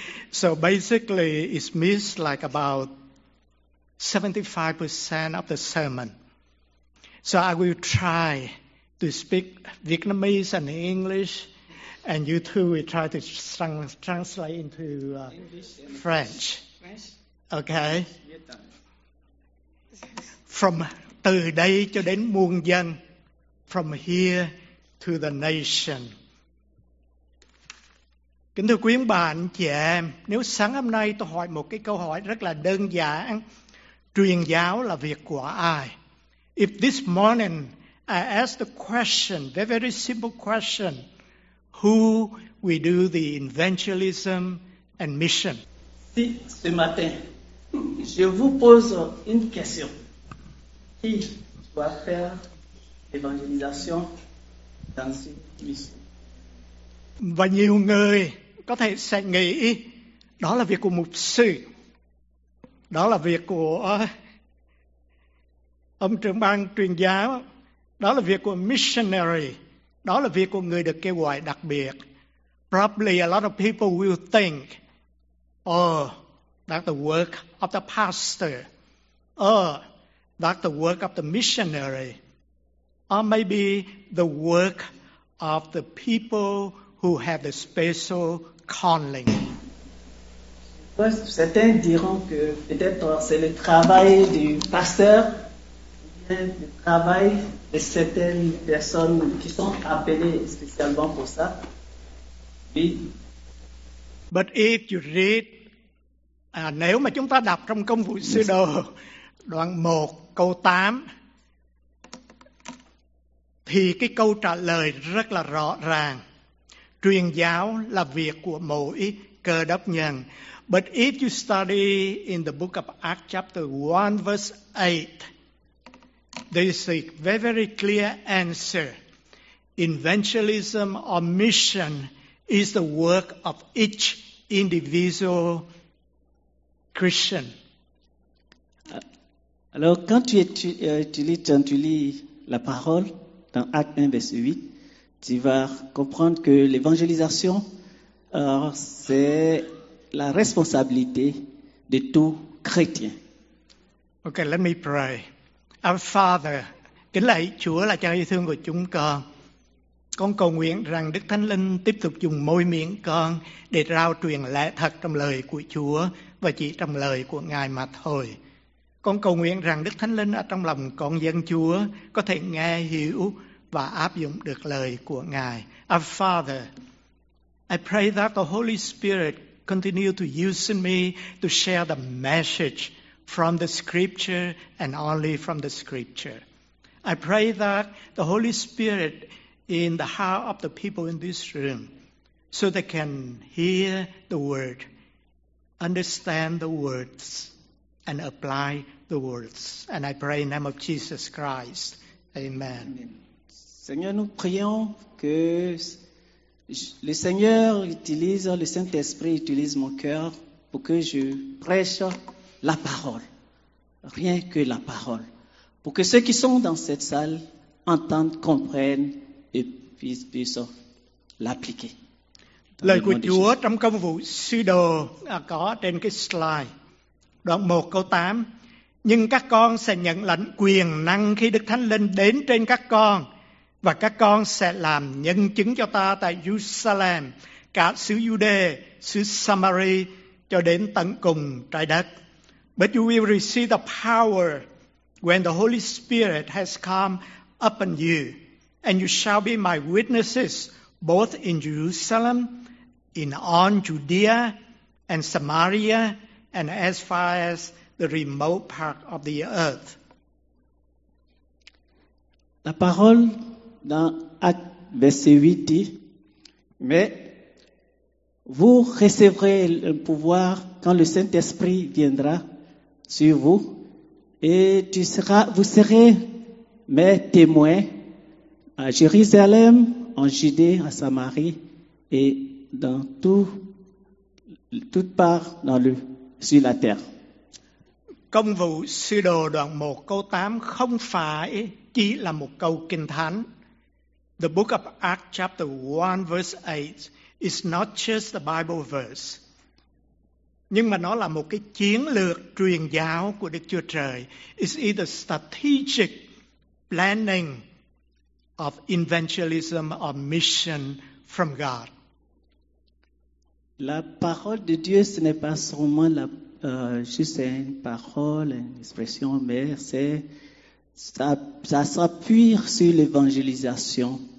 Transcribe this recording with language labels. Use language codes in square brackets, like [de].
[en] So basically, it's missed like about 75% of the sermon. So I will try to speak Vietnamese and English, and you two will try to translate into French. Okay? [vi] From từ đây cho đến muôn dân, [en] from here to the nation. [vi] Kính thưa quý ông bà, anh chị em, nếu sáng hôm nay tôi hỏi một cái câu hỏi rất là đơn giản, truyền giáo là việc của ai? [en] If this morning I ask the question, very, very simple question, who we do the evangelism and mission? [fr] Si, ce matin, je vous pose une question. Qui doit faire l'évangélisation dans cette mission? [vi] Và nhiều người có thể sẽ nghĩ đó là việc của mục sư. Đó là việc của ông trưởng ban truyền giáo. Đó là việc của missionary. Đó là việc của người được kêu gọi đặc biệt. [en] Probably a lot of people will think, oh, that's the work of the pastor. Oh, that's the work of the missionary. Or maybe the work of the people who have the special calling. [fr] Certains diront que peut-être c'est le travail du pasteur, le travail de certaines personnes qui sont appelées spécialement pour ça. Oui. [en] But if you read, [vi] nếu mà chúng ta đọc trong Công Vụ Sứ Đồ, đoạn 1, câu 8, thì cái câu trả lời rất là rõ ràng. Truyền giáo là việc của mỗi cơ đốc nhân. [en] But if you study in the book of Acts chapter 1 verse 8, there is a very, very clear answer. evangelism or mission is the work of each individual Christian. [fr] Alors, quand tu lis la parole dans Acte 1, verset 8, tu vas comprendre que l'évangélisation, c'est la responsabilité de tout chrétien. [en] Ok, let me pray. Our Father, [vi] kính lạy Chúa là cha yêu thương của chúng con cầu nguyện rằng Đức Thánh Linh tiếp tục dùng môi miệng con để rao truyền lẽ thật trong lời của Chúa và chỉ trong lời của Ngài mà thôi. Con cầu nguyện rằng Đức Thánh Linh ở trong lòng con dân Chúa có thể nghe hiểu và áp dụng được lời của Ngài. [en] Our Father, I pray that the Holy Spirit continue to use me to share the message from the Scripture and only from the Scripture. I pray that the Holy Spirit in the heart of the people in this room so they can hear the word, understand the words, and apply the words. And I pray in the name of Jesus Christ. Amen. [fr] Seigneur, nous prions que le Seigneur utilise, le Saint-Esprit utilise mon cœur pour que je prêche la parole, rien que la parole, pour que ceux qui sont dans cette salle entendent, comprennent et puissent l'appliquer. [vi] Lời của Chúa trong công vụ sứ đồ có trên cái slide. Đoạn 1 câu 8. Nhưng các con sẽ nhận lãnh quyền năng khi Đức Thánh Linh đến trên các con, và các con sẽ làm nhân chứng cho ta tại Jerusalem, cả xứ Jude, xứ Samari, cho đến tận cùng trái đất. [en] But you will receive the power when the Holy Spirit has come upon you, and you shall be my witnesses both in Jerusalem, in all Judea and Samaria, and as far as the remote part of the earth. [fr] La parole dans Actes verset 8 dit, mais vous recevrez le pouvoir quand le Saint-Esprit viendra sur vous, et vous serez mes témoins à Jérusalem, en Judée, à Samarie, et dans toute part dans le sur la terre. [vi] Công vụ sứ đồ đoạn 1 câu 8 không phải chỉ là một câu kinh thánh. [en] The book of Acts chapter 1 verse 8 is not just a Bible verse. [vi] Nhưng mà nó là một cái chiến lược truyền giáo của Đức Chúa Trời. [en] It's either strategic planning of evangelism or mission from God. [fr] La parole de Dieu, ce n'est pas seulement juste une parole, une expression, mais ça s'appuie sur l'évangélisation.